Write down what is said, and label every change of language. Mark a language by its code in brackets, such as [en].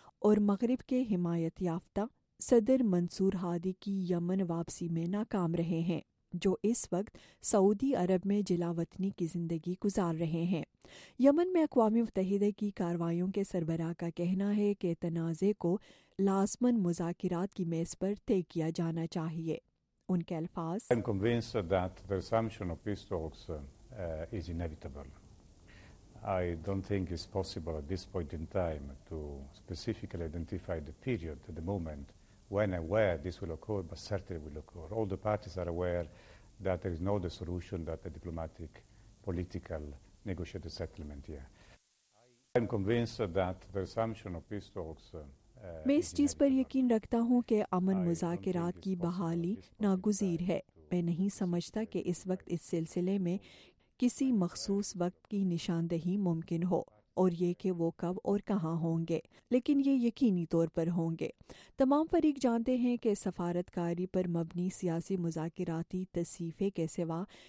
[ur] اور مغرب کے حمایت یافتہ صدر منصور ہادی کی یمن واپسی میں ناکام رہے ہیں، جو اس وقت سعودی عرب میں جلا وطنی کی زندگی گزار رہے ہیں۔ یمن میں اقوام متحدہ کی کاروائیوں کے سربراہ کا کہنا ہے کہ تنازع کو لازمن مذاکرات کی میز پر طے کیا جانا چاہیے۔ ان کے الفاظ، [en] I'm convinced that the resumption of peace talks is inevitable. I don't think it's possible at this point in time to specifically identify the period at the moment when and where this will occur, but certainly will occur. All the parties are aware that there is no other solution than a diplomatic, political, negotiated settlement here. I'm convinced that the resumption of peace talks [ur] میں اس چیز پر یقین رکھتا ہوں کہ امن مذاکرات کی بحالی ناگزیر ہے۔ میں نہیں سمجھتا کہ اس وقت اس سلسلے میں کسی مخصوص وقت کی نشاندہی ممکن ہو اور یہ کہ وہ کب اور کہاں ہوں گے، لیکن یہ یقینی طور پر ہوں گے۔ تمام فریق جانتے ہیں کہ سفارتکاری پر مبنی سیاسی مذاکراتی تصیفے کے سوا